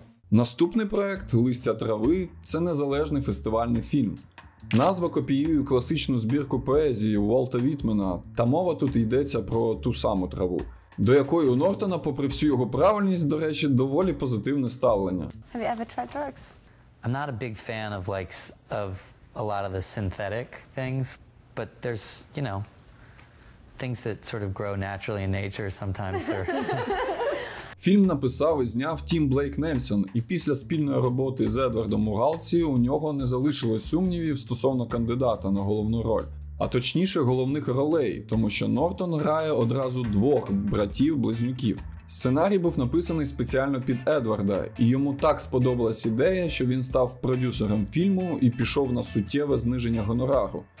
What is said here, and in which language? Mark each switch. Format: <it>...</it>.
<uk>Наступний проект «Листя трави» – це незалежний фестивальний фільм. Назва копіює класичну збірку поезії Уолта Вітмена, та мова тут йдеться про ту саму траву, до якої у Нортона, попри всю його правильність, до речі, доволі позитивне ставлення.</uk> <en>Have you ever tried drugs? I'm not a big fan of like of a lot of the synthetic things, but there's, you know, things that sort of grow naturally in nature sometimes.</en> <uk>Фільм написав і зняв Тім Блейк Нельсон, і після спільної роботи з Едвардом Мугалці у нього не залишилось сумнівів стосовно кандидата на головну роль. А точніше, головних ролей, тому що Нортон грає одразу 2 братів-близнюків. Сценарій був написаний спеціально під Едварда, і йому так сподобалась ідея, що він став продюсером фільму і пішов на суттєве зниження гонорару.</uk>